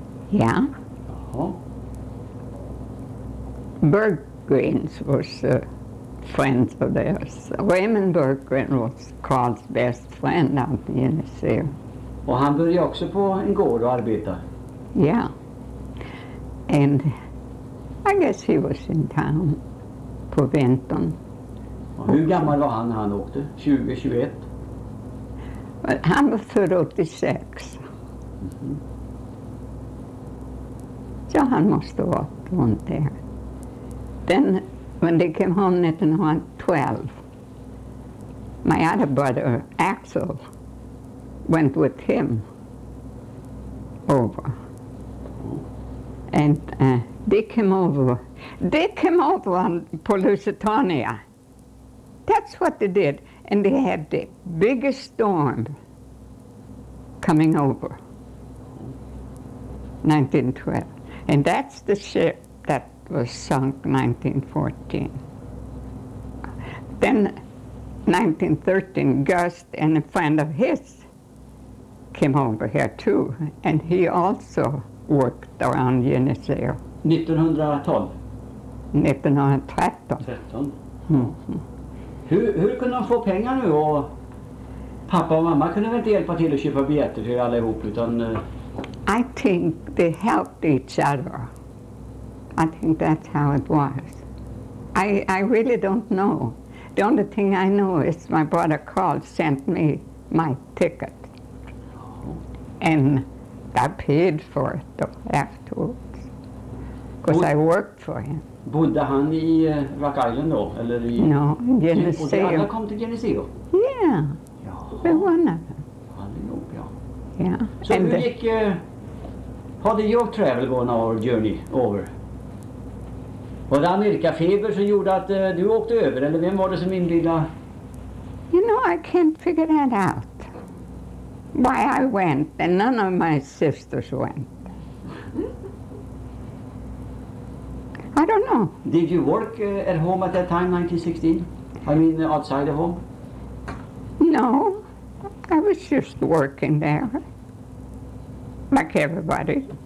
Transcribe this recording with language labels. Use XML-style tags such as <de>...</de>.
<sv>Ja. Yeah. Jaha.</sv> <en>Berggrens was friends of theirs. Raymond Berggren was Carl's best friend out in Geneseo.</en> <sv>Och han började också på en gård och arbeta? Ja. Yeah.</sv> <en>And I guess he was in town</en> <sv>på vintern. Hur gammal var han när han åkte? 20, 21? Han var född 86. Så han måste ha varit runt där.</sv> <en>Then, when they came home 1912, my other brother, Axel, went with him over. And they came over on Polusitania. That's what they did. And they had the biggest storm coming over, 1912. And that's the ship that was sunk 1914. Then 1913, Gust and a friend of his came over here too, and he also worked around Yeniseo. 1913.</en> <sv>Hur kunde de få pengar nu? Och pappa och mamma kunde väl inte hjälpa till att köpa biljetter till alla ihop, utan...</sv> <en>I think they helped each other. I think that's how it was. I really don't know. The only thing I know is my brother Carl sent me my ticket. And I paid for it afterwards. Because I worked for him.</en> <sv>Bodde han i Rock Island då, eller i...</sv> <en>No, Geneseo.</en> <sv>Och de andra kom till Geneseo?</sv> <en>Yeah. Ja, we won it.</en> <sv>Allihop, ja.</sv> <en>Yeah.</en> <sv>Så and hur gick...</sv> <en>How did your travel go on our journey over?</en> <sv>Var det Amerikafeber som gjorde att du åkte över, eller vem var det som inbjudade?</sv> <en>You know, I can't figure that out. Why I went, and none of my sisters went. I don't know. Did you work at home at that time, 1916? I mean, outside of home? No. I was just working there. Like everybody.</en>